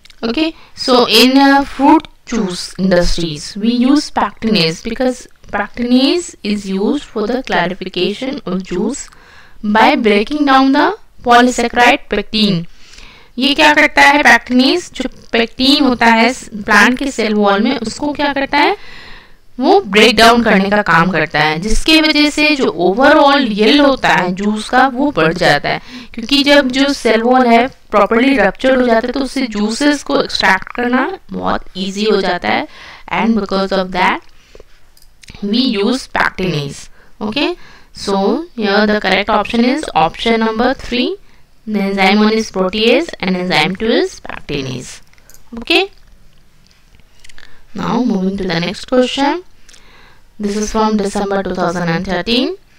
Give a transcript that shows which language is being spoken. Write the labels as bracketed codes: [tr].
[en] Okay, so in fruit juice industries, we use pectinase because pectinase is used for the clarification of juice by breaking down the polysaccharide pectin. [hi] ये क्या करता है pectinase, जो pectin होता है plant के cell wall में, उसको क्या करता है वो ब्रेक डाउन करने का काम करता है, जिसके वजह से जो ओवरऑल येल होता है जूस का वो बढ़ जाता है. क्योंकि जब जो सेल वॉल है प्रॉपरली रप्चर हो जाते हैं तो उससे जूसेस को एक्सट्रैक्ट करना बहुत इजी हो जाता है, [en] And because of that we use pectinase. Okay, so here the correct option is option number 3, enzyme 1 is protease and enzyme 2 is pectinase. Okay, now moving to the next question, this is from December 2013.